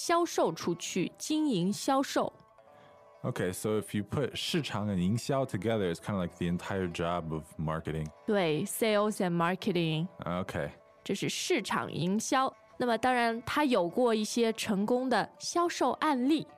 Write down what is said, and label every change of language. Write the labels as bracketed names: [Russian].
[Chinese] 营销就是卖东西，对吧？要把它销售出去，经营销售。 [English] Okay, so if you put 市场 and 营销 together, it's kind of like the entire job of marketing. 对， sales and marketing. Okay. [Chinese] 这是市场营销，那么当然它有过一些成功的销售案例。